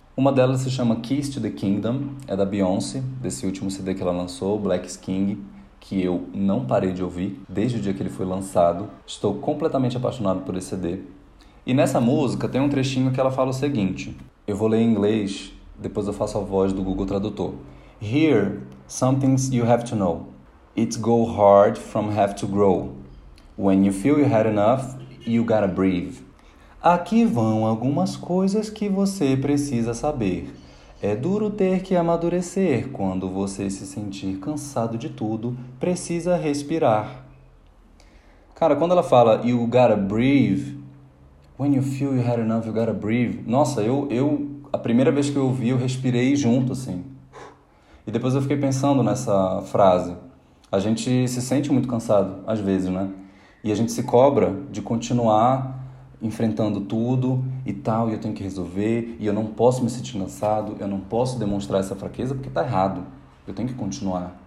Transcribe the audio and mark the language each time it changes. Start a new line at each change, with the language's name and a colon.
Portuguese: Uma delas se chama Keys to the Kingdom, é da Beyoncé, desse último CD que ela lançou, Black is King, que eu não parei de ouvir desde o dia que ele foi lançado. Estou completamente apaixonado por esse CD. E nessa música tem um trechinho que ela fala o seguinte, eu vou ler em inglês, depois eu faço a voz do Google Tradutor.
English: Here, some things you have to know. It go hard from have to grow. When you feel you had enough, you gotta breathe.
Portuguese: Aqui vão algumas coisas que você precisa saber. É duro ter que amadurecer. Quando você se sentir cansado de tudo, precisa respirar. Cara, quando ela fala
English: you gotta breathe, when you feel you had enough, you gotta breathe.
Portuguese: Nossa, a primeira vez que eu ouvi, eu respirei junto, assim. E depois eu fiquei pensando nessa frase. A gente se sente muito cansado, às vezes, né? E a gente se cobra de continuar enfrentando tudo e tal, e eu tenho que resolver, e eu não posso me sentir cansado, eu não posso demonstrar essa fraqueza porque tá errado. Eu tenho que continuar.